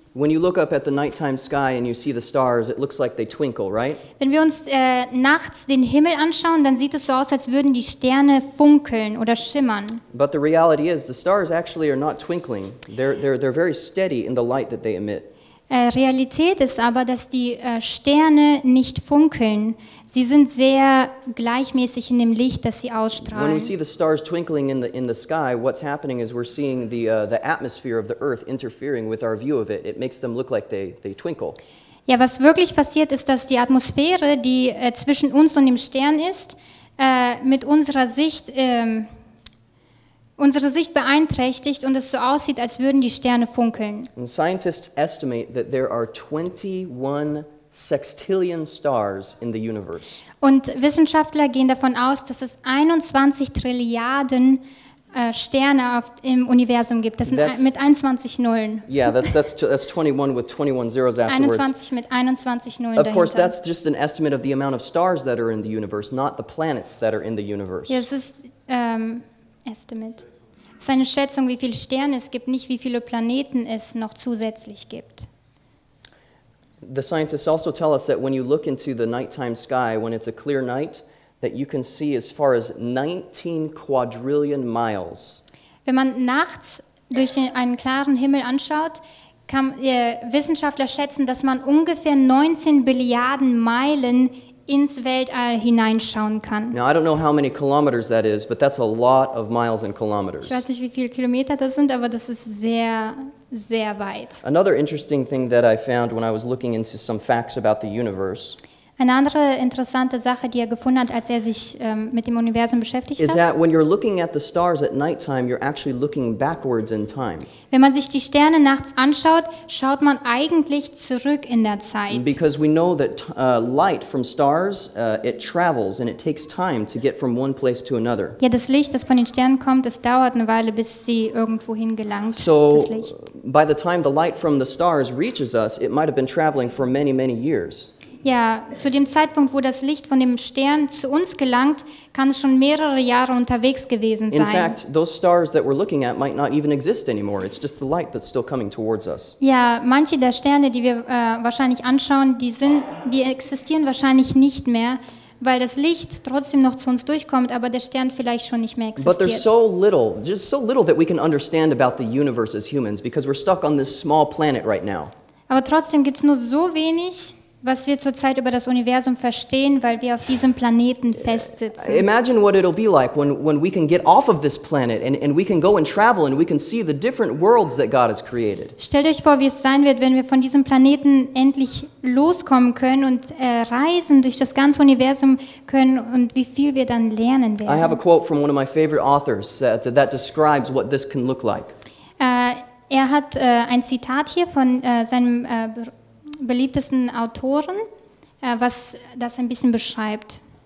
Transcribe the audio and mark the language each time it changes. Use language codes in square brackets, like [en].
[en] When you look up at the nighttime sky and you see the stars, it looks like they twinkle, right? [de] Wenn wir uns nachts den Himmel anschauen, dann sieht es so aus, als würden die Sterne funkeln oder schimmern. [en] But the reality is, the stars actually are not twinkling. They're very steady in the light that they emit. [de] Realität ist aber, dass die Sterne nicht funkeln. Sie sind sehr gleichmäßig in dem Licht, das sie ausstrahlen. [en] When we see the stars twinkling in the sky, what's happening is we're seeing the atmosphere of the Earth interfering with our view of it. It makes them look like they twinkle. [de] Ja, was wirklich passiert ist, dass die Atmosphäre, die zwischen uns und dem Stern ist, mit unserer Sicht unsere Sicht beeinträchtigt und es so aussieht, als würden die Sterne funkeln. [en] And scientists estimate that there are 21 sextillion stars in the universe. [de] Und Wissenschaftler gehen davon aus, dass es 21 Trilliarden Sterne im Universum gibt. Das sind mit 21 Nullen. [en] Yeah, that's 21 with 21 zeros afterwards. [de] 21 mit 21 Nullen dahinter. [en] Of course, that's just an estimate of the amount of stars that are in the universe, not the planets that are in the universe. [de] Ja, es ist Estimate. Es ist eine Schätzung, wie viele Sterne es gibt, nicht wie viele Planeten es noch zusätzlich gibt. [en] The scientists also tell us that when you look into the nighttime sky, when it's a clear night, that you can see as far as 19 quadrillion miles. [de] Wenn man nachts durch einen klaren Himmel anschaut, kann Wissenschaftler schätzen, dass man ungefähr 19 Billiarden Meilen ins Weltall hineinschauen kann. [en] Now, I don't know how many kilometers that is, but that's a lot of miles and kilometers. [de] Ich weiß nicht, wie viele Kilometer das sind, aber das ist sehr, sehr weit. [en] Another interesting thing that I found when I was looking into some facts about the universe. [de] Eine andere interessante Sache, die er gefunden hat, als er sich mit dem Universum beschäftigt hat, [en] is that when you're looking at the stars at nighttime, you're actually looking backwards in time. [de] Wenn man sich die Sterne nachts anschaut, schaut man eigentlich zurück in der Zeit. [en] Because we know that light from stars, it travels and it takes time to get from one place to another. [de] Ja, das Licht, das von den Sternen kommt, es dauert eine Weile, bis sie irgendwohin gelangt. [en] So, by the time the light from the stars reaches us, it might have been traveling for many, many years. [de] Ja, zu dem Zeitpunkt, wo das Licht von dem Stern zu uns gelangt, kann es schon mehrere Jahre unterwegs gewesen sein. [en] In fact, those stars that we're looking at might not even exist anymore. It's just the light that's still coming towards us. [de] Ja, manche der Sterne, die wir wahrscheinlich anschauen, die existieren wahrscheinlich nicht mehr, weil das Licht trotzdem noch zu uns durchkommt, aber der Stern vielleicht schon nicht mehr existiert. [en] But there's so little, just so little that we can understand about the universe as humans, because we're stuck on this small planet right now. [de] Aber trotzdem gibt's nur so wenig, was wir zurzeit über das Universum verstehen, weil wir auf diesem Planeten festsitzen. [en] Imagine what it'll be like when we can get off of this planet and we can go and travel and we can see the different worlds that God has created. [de] Stellt euch vor, wie es sein wird, wenn wir von diesem Planeten endlich loskommen können und reisen durch das ganze Universum können und wie viel wir dann lernen werden. [en] I have a quote from one of my favorite authors that describes what this can look like. [de] Er hat ein Zitat hier von seinem beliebtesten Autoren, was das ein bisschen beschreibt.